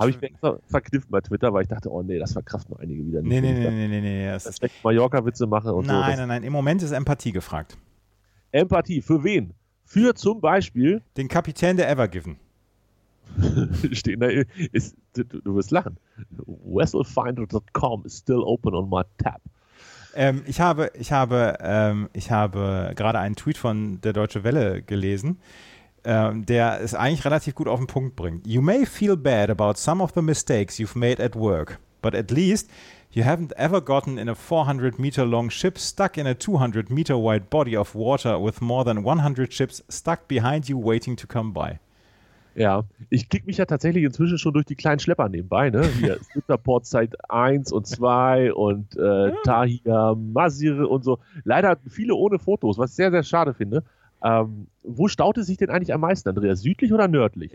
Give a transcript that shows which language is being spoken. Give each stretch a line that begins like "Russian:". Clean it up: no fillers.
German: Habe ich mir extra verkniffen bei Twitter, weil ich dachte, oh nee, das verkraften einige wieder nicht. Nee. Das ist echt Mallorca-Witze mache und nein, so. Nein. Im Moment ist Empathie gefragt. Empathie? Für wen? Für zum Beispiel. Den Kapitän der Ever Given. Stehen da, du wirst lachen.
English: Wesselfinder.com is still open on my tab.
German: Ich habe gerade einen Tweet von der Deutsche Welle gelesen, der es eigentlich relativ gut auf den Punkt bringt.
English: You may feel bad about some of the mistakes you've made at work, but at least you haven't ever gotten in a 400 meter long ship stuck in a 200 meter wide body of water with more than 100 ships stuck behind you waiting to come by.
German: Ja, ich klicke mich ja tatsächlich inzwischen schon durch die kleinen Schlepper nebenbei, ne? Hier, Sitterport Zeit 1 und 2 und Tahir Masir und so. Leider viele ohne Fotos, was ich sehr, sehr schade finde. Wo staute sich denn eigentlich am meisten, Andreas? Südlich oder nördlich?